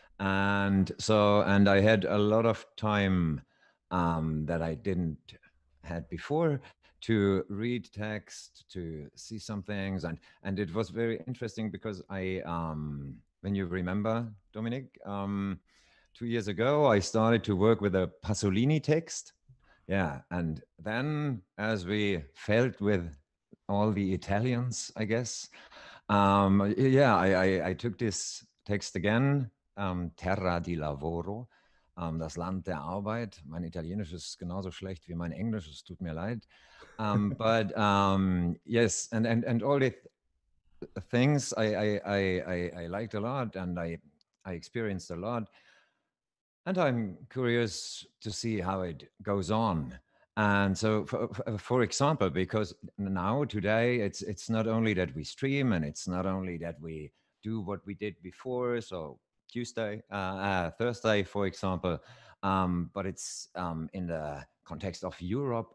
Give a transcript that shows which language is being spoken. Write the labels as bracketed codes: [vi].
[en] And so, and I had a lot of time that I didn't had before to read text, to see some things, and it was very interesting, because I when you remember, Dominic, 2 years ago, I started to work with a Pasolini text. Yeah, and then as we felt with all the Italians, I guess, I took this text again, Terra di Lavoro, [de] das Land der Arbeit. Mein Italienisch ist genauso schlecht wie mein Englisch, es tut mir leid. [en] but all the things I liked a lot, and I experienced a lot. And I'm curious to see how it goes on. And so, for example, because now, today, it's not only that we stream, and it's not only that we do what we did before, so Tuesday, Thursday, for example, but it's in the context of Europe.